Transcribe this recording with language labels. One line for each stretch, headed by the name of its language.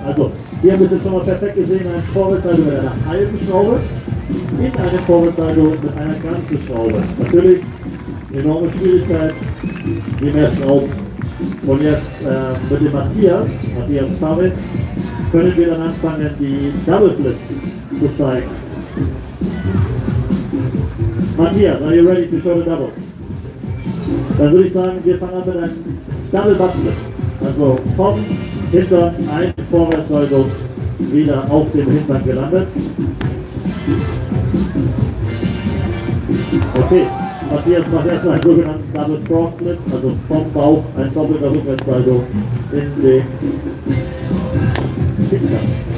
German: Also, hier haben wir es jetzt schon mal perfekt gesehen, eine Vorwärtsseite mit einer halben Schraube in eine Vorwärtsseite mit einer ganzen Schraube. Natürlich, enorme Schwierigkeit, je mehr Schrauben. Und jetzt mit dem Matthias Favitz, können wir dann anfangen, die Double Flip zu zeigen.
English: Matthias, are you ready to show the double?
German: Dann würde ich sagen, wir fangen an mit einem Double Butt Flip. Also vom Hintern ein Vorwärtssalto wieder auf dem Hintern gelandet. Okay, Matthias macht erstmal einen sogenannten Double Frontflip, also vom Bauch ein doppelter Rückwärtssalto in den Kickstand.